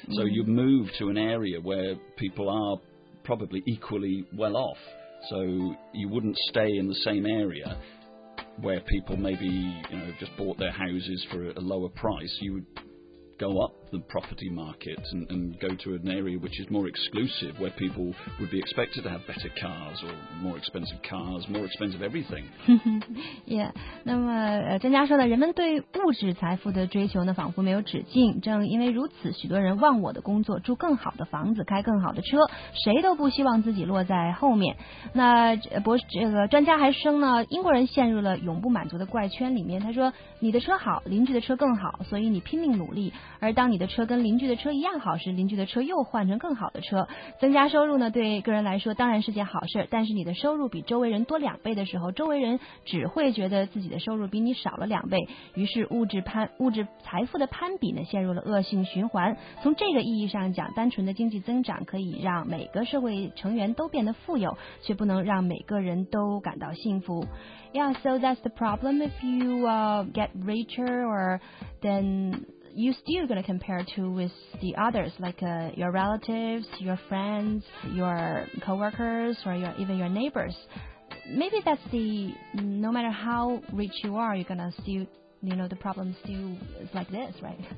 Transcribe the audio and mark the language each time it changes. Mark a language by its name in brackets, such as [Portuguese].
[English] So you move to an area where people are probably equally well off, so you wouldn't stay in the same area where people maybe, you know, just bought their houses for a lower price. You would go up the property market and go to an area which is more exclusive, where people would be expected to have better cars or more expensive cars, more expensive everything. Yeah. [Chinese] 那么专家说呢，人们对物质财富的追求呢仿佛没有止境，正因为如此，许多人忘我的工作，住更好的房子，开更好的车，谁都不希望自己落在后面。那这个专家还说呢，英国人陷入了永不满足的怪圈里面。他说，你的车好，邻居的车更好，所以你拼命努力，而当你的车跟邻居的车一样好时，邻居的车又换成更好的车。增加收入呢，对个人来说当然是件好事，但是你的收入比周围人多两倍的时候，周围人只会觉得自己的收入比你少了两倍，于是物质财富的攀比呢陷入了恶性循环。从这个意义上讲，单纯的经济增长可以让每个社会成员都变得富有，却不能让每个人都感到幸福。 [English] Yeah, so that's the problem. If you get richer, or then you still going to compare to with the others, like your relatives, your friends, your coworkers, or your, even your neighbors. Maybe that's the, no matter how rich you are, you're going to still, you know, the problem still is like this, right?